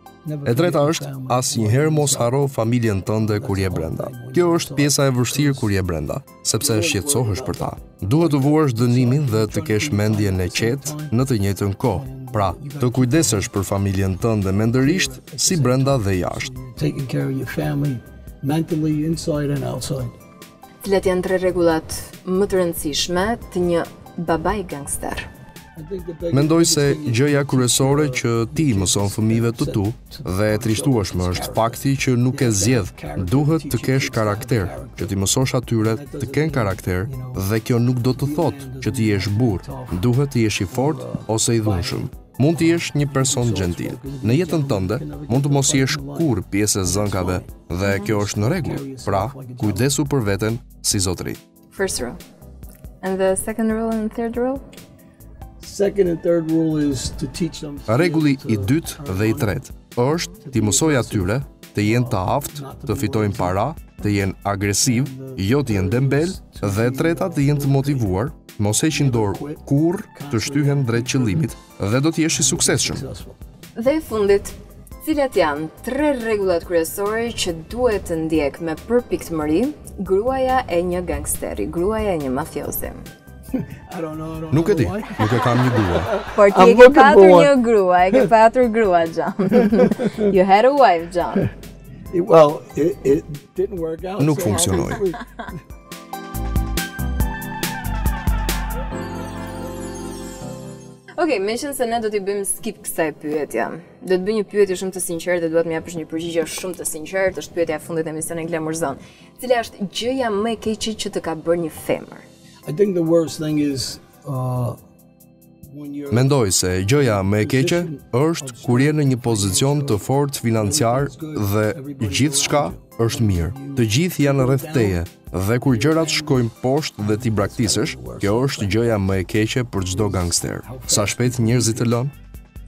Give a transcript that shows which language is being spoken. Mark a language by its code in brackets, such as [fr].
[sq] E treta është, asnjëherë mos haro familjen tënde kur je brenda. Kjo është pjesa e vështirë kur je brenda, sepse shqetësohesh për ta. Duhet të vuash dënimin dhe të kesh mendjen e qetë në të njëjtën kohë. Pra, të kujdesesh për familjen tënde mendërisht, si brenda dhe jashtë. [en] Taking care of your family mentally inside and outside. [sq] Cilat janë tre rregullat më të rëndësishme të një babai gangster? Mendoj se gjëja kryesore që ti mëson fëmijëve të tu dhe e trishtueshme është fakti që nuk e zgjedh. Duhet të kesh karakter, që ti mësosh atyre të kenë karakter dhe kjo nuk do të thotë që ti jesh burr. Duhet të jesh i fortë ose i dhunshëm. Mund të jesh një person gentil. Në jetën tënde mund të mos jesh kur pjesë e zënkave dhe kjo është në rregull. Pra, kujdesu për veten si zotri. [en] First rule. And the second rule and third rule? Second and third rule is to teach them. [sq] Rregulli i dytë dhe i tretë është ti mësoj atyre të jenë të aftë, të fitojnë para, të jenë agresiv, jo të jenë dembel, dhe e treta të jenë të motivuar, mos heqin dorë kurrë, të shtyhen drejt qëllimit dhe do të jesh i suksesshëm. Dhe fundit, cilat janë tre rregullat kryesore që duhet të ndjek me përpiktëmëri gruaja e një gangsteri, gruaja e një mafioze? [en] I don't know. [sq] Nuk e di, nuk e kam një grua. Por ti e ke patur një grua, e ke patur grua, John. [en] You had a wife, John. Well, it didn't work out. [sq] Nuk funksionoi. Okay, më shumë se ne do t'i bëjmë skip kësaj pyetje. Do të bëj një pyetje shumë të sinqertë dhe duhet më japësh një përgjigje shumë të sinqertë. Është pyetja e fundit e emisionit Glamour Zone. Cila është gjëja më e keqe që të ka bërë një femër? [en] I think the worst thing is when you're [sq] mendoj se gjëja më e keqe është kur je në një pozicion të fortë financiar dhe gjithçka është mirë. Të gjithë janë rreth teje dhe kur gjërat shkojnë poshtë dhe ti braktisesh, kjo është gjëja më e keqe për çdo gangster. Sa shpejt njerëzit të lënë?